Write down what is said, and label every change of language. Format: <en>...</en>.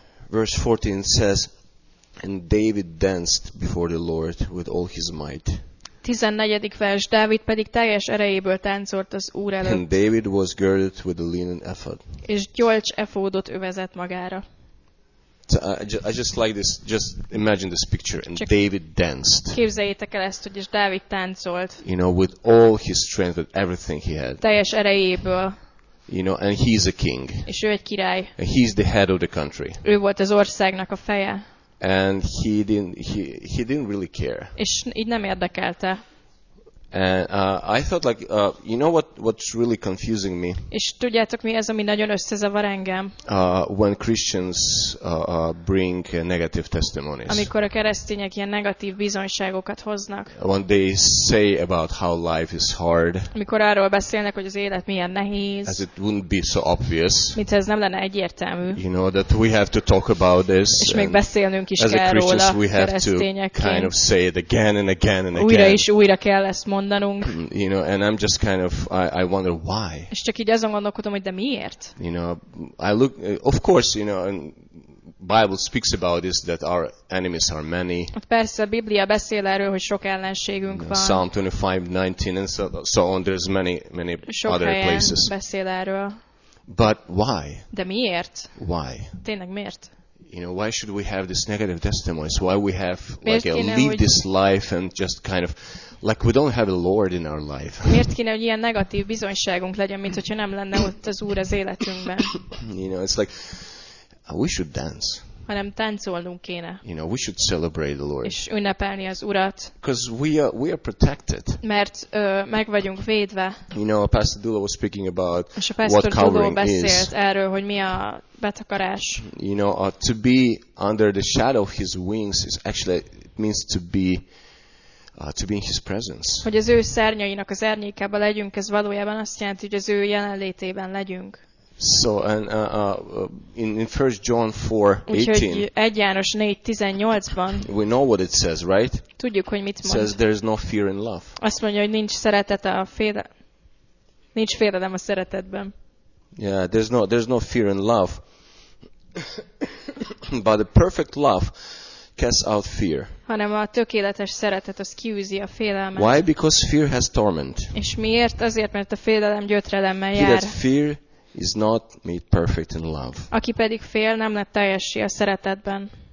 <en>verse 14 says, and David danced before the Lord with all his might. 14.</en> <hu>vers, Dávid pedig teljes erejéből táncolt az Úr előtt.</hu> <en>And David was girded with a linen ephod.</en> <hu>És gyolcs efódot övezett magára.</hu> <en>So I just like this, just imagine this picture, and</en> <hu>csak</hu> <en>David danced.</en> <hu>Képzeljétek el ezt, hogy Dávid táncolt.</hu> <en>You know, with all his strength, with everything he had.</en> <hu>Teljes erejéből.</hu> <en>You know, and he's a king.</en> <hu>És ő egy király.</hu> <en>And he's the head of the country.</en> <hu>Ő volt az országnak a feje.</hu> <en>And he didn't really care.</en> <hu>És így nem érdekelte.</hu> <en>And I thought like you know what's really confusing me?</en> <hu>És tudjátok mi ez, ami nagyon összezavar engem?</hu> <en>When Christians bring negative testimonies.</en> <hu>Amikor a keresztények ilyen negatív bizonyságokat hoznak.</hu> <en>When they say about how life is hard.</en> <hu>Amikor arról beszélnek, hogy az élet milyen nehéz.</hu> <en>As it wouldn't be so obvious.</en> <hu>Mint ez nem lenne egyértelmű.</hu> <en>You know that we have to talk about this.</en> <hu>És még beszélnünk is kell róla.</hu> <en>As a Christian we have to kind of say it again and again and again.</en> <hu>Újra és újra kell ezt mondanunk.</hu> <en>You know, and I'm just kind of I wonder why.</en> <hu>És csak így azon gondolkodom, hogy de miért?</hu> <en>You know, I look, of course, you know, and Bible speaks about this that our enemies are many.</en> <hu>Persze, a Biblia beszél erről, hogy sok ellenségünk van.</hu> <en>Psalm 25:19 and so on, there's many</en> <hu>sok</hu> <en>other places.</en> <hu>Sok helyen beszél erről.</hu> <en>But why?</en> <hu>De miért?</hu> <en>Why?</en> <hu>Tényleg miért?</hu> <en>You know, why should we have this negative testimonies? Why we have like leave this life and just kind of like we don't have a Lord in our life.</en> <hu>Miért kéne, hogy ilyen negatív bizonyságunk legyen, mint hogyha nem lenne ott az Úr az életünkben?</hu> <en>You know, it's like we should dance.</en> <hu>Hanem táncolnunk kéne.</hu> <en>You know, we should celebrate the Lord.</en> <hu>És ünnepelni az Urat.</hu> <en>Because we are protected.</en> <hu>Mert meg vagyunk védve.</hu> <en>You know, Pastor Dula was speaking about what covering is.</en> <hu>És a Pastor Dula beszélt erről, hogy mi a betakarás.</hu> <en>You know, to be under the shadow of his wings is actually means to be in his presence.</en> <hu>Hogy az ő szárnyainak az árnyékában legyünk, ez valójában azt jelenti, hogy az ő jelenlétében legyünk.</hu> <en>So and in 1 John 4:18.</en> <hu>Úgyhogy 1 János 4:18-ban.</hu> <en>We know what it says, right?</en> <hu>Tudjuk, hogy mit mond.</hu> <en>Says there is no fear in love.</en> <hu>Azt mondja, hogy nincs szeretet a nincs félelem a szeretetben.</hu> <en>Yeah, there's no fear in love. But the perfect love casts out fear.</en> <hu>Hanem a tökéletes szeretet az kiűzi a félelmet.</hu> <en>Why? Because fear has torment.</en> <hu>És miért? Azért, mert a félelem gyötrelemmel jár.</hu> <en>He that fear is not made perfect in love.</en> <hu>Aki pedig fél, nem lett teljessé a szeretetben.</hu>